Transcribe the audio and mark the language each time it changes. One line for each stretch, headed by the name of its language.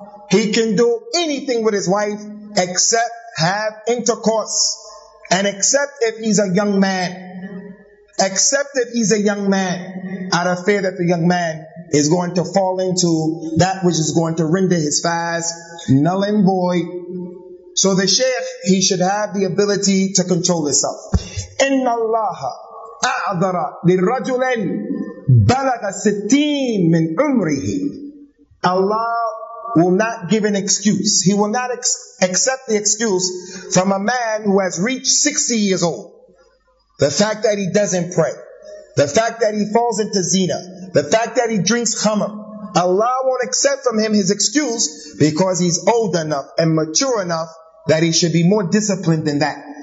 English: He can do anything with his wife except have intercourse, and except if he's a young man. Except if he's a young man, out of fear that the young man is going to fall into that which is going to render his fast null and void. So the sheikh, he should have the ability to control himself.
Arabic: إِنَّ اللَّهَ أَعْذَرَ لِلْرَجُلٍ بَلَغَ سِتِينَ مِنْ عُمْرِهِ
English: Allah will not give an excuse. He will not accept the excuse from a man who has reached 60 years old. The fact that he doesn't pray, the fact that he falls into zina, the fact that he drinks khamr, Allah won't accept from him his excuse because he's old enough and mature enough that he should be more disciplined than that.